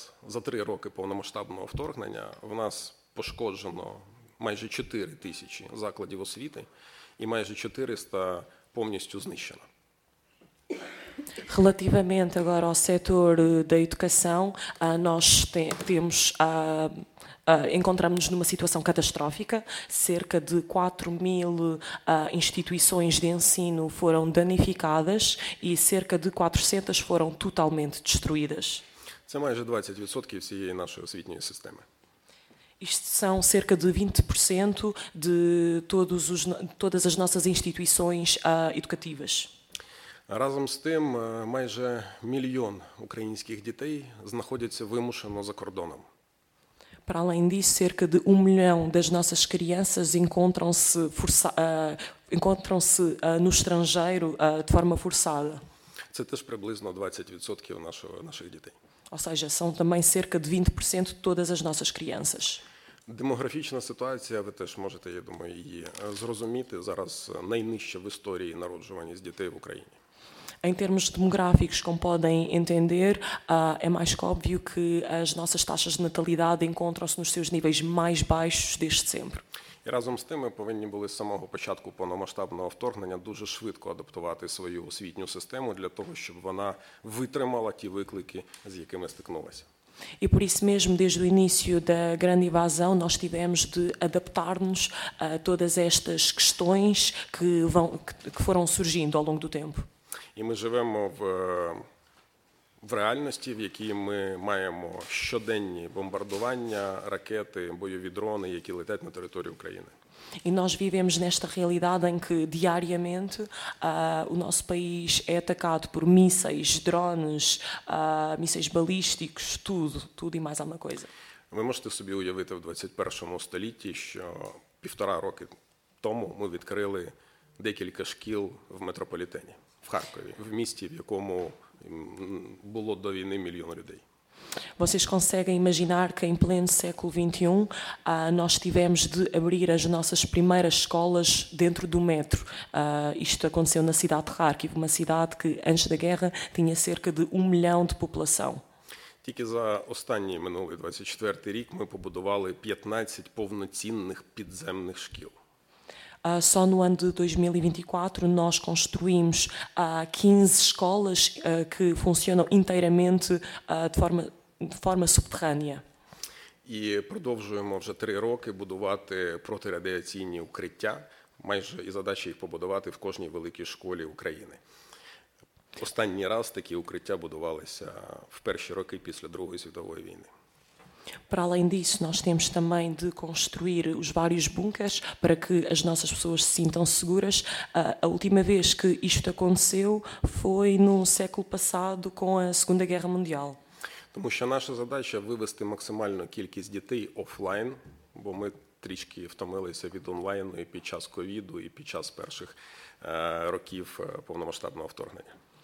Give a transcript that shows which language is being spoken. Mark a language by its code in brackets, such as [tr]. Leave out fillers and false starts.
[uk] За три роки повномасштабного вторгнення в нас пошкоджено майже 4 тисячі закладів освіти і майже 400 повністю знищено. [pt] Relativamente agora ao setor da educação, nós temos... Encontramos-nos numa situação catastrófica, cerca de 4 mil instituições de ensino foram danificadas e cerca de 400 foram totalmente destruídas. [uk] Це майже 20% всієї нашої освітньої системи. [pt] Isto são cerca de 20% de todas as nossas instituições educativas. [uk] Разом з тим, майже мільйон українських дітей знаходяться вимушено за кордоном. [pt] Para além disso, cerca de 1 milhão das nossas crianças encontram-se no estrangeiro de forma forçada. [uk] Це теж приблизно 20% наших дітей. [pt] Ou seja, são também cerca de 20% de todas as nossas crianças. [uk] Демографічна ситуація, ви теж можете, я думаю, її зрозуміти, зараз найнижча в історії народжуваність дітей в Україні. [pt] Em termos demográficos, como podem entender, é mais que óbvio que as nossas taxas de natalidade encontram-se nos seus níveis mais baixos desde sempre. [uk] E, разом з тим, ми повинні були з самого початку повномасштабного вторгнення дуже швидко адаптувати свою освітню систему для того, щоб вона витримала ті виклики, з якими стикнулася. [pt] E por isso mesmo, desde o início da grande invasão, nós tivemos de adaptar-nos a todas estas questões que foram surgindo ao longo do tempo. [uk] І ми живемо в реальності, в якій ми маємо щоденні бомбардування, ракети, бойові дрони, які летять на територію України. [pt] І nós vivemos nesta realidade em que diariamente o nosso país é atacado por mísseis, drones, mísseis balísticos, tudo e mais alguma coisa. [uk] Ви можете собі уявити в 21 столітті, що півтора роки тому ми відкрили декілька шкіл в метрополітені. В Харкові, в місті, в якому було до війни мільйон людей. [pt] Vocês conseguem imaginar que em pleno século XXI nós tivemos de abrir as nossas primeiras escolas dentro do metro. Isto aconteceu na cidade de Kharkiv, uma cidade que antes da guerra tinha cerca de 1 milhão de população. [uk] Тільки за останній минулий 24 рік ми побудували 15 повноцінних підземних шкіл. [pt] Só no ano de 2024 nós construímos 15 escolas que funcionam inteiramente de forma subterrânea. [uk] E продовжуємо вже 3 роки будувати протирадіаційні укриття, майже і задача їх побудувати в кожній великій школі України. Останній раз такі укриття будувалися в перші роки після Другої світової війни. [pt] Para além disso, nós temos também de construir os vários bunkers para que as nossas pessoas se sintam seguras. A última vez que isto aconteceu foi no século passado com a Segunda Guerra Mundial. [uk] Тому що наша задача вивести максимальну кількість дітей офлайн, бо ми трішки втомилися від онлайну і під час ковіду, і під час перших років повномасштабного вторгнення.